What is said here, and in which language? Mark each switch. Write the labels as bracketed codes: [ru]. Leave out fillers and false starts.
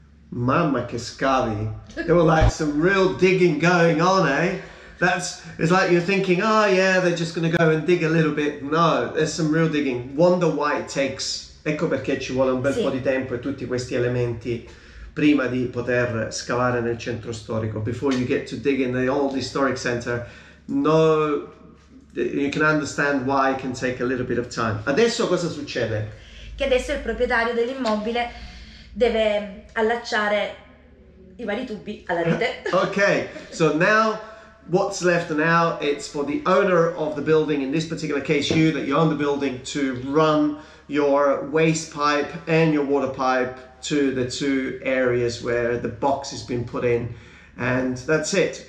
[en] Scavi, there were like some real digging going on, eh? That's, it's like you're thinking, oh yeah, they're just gonna go and dig a little bit. No, there's some real digging. Wonder why it takes. [it] Ecco perché ci vuole un bel po' di tempo e tutti questi elementi prima di poter scavare nel centro storico. [en] Before you get to dig in the old historic center, no, you can understand why it can take a little bit of time. [it] Adesso cosa succede? Che adesso il proprietario dell'immobile deve allacciare i vari tubi alla rete. [en] Okay, so now what's left now, it's for the owner of the building, in this particular case you, that you own the building, to run your waste pipe and your water pipe to the two areas where the box has been put in, and that's it.